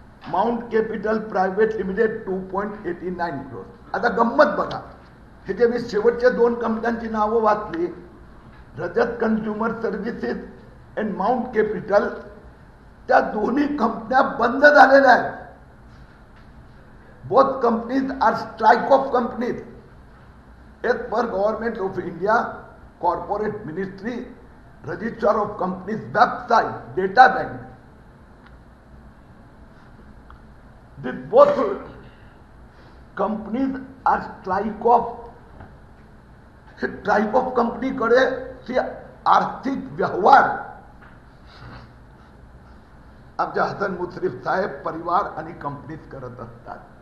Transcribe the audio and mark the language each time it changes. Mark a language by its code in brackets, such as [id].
[mr] Mount capital private limited 2.89 crore. आता गंमत बघा, हे जे मी शेवटच्या दोन कंपन्यांची नावं वाचली, रजत consumer services and mount capital, त्या दोन्ही कंपन्या बंद झालेल्या आहेत. [en] Both companies are strike off companies as per government of India corporate ministry registrar of companies website data bank. This both companies are strike off. [mr] Strike off company कडे आर्थिक व्यवहार आमच्या हसन मुश्रीफ साहेब परिवार आणि कंपनीज करत असतात.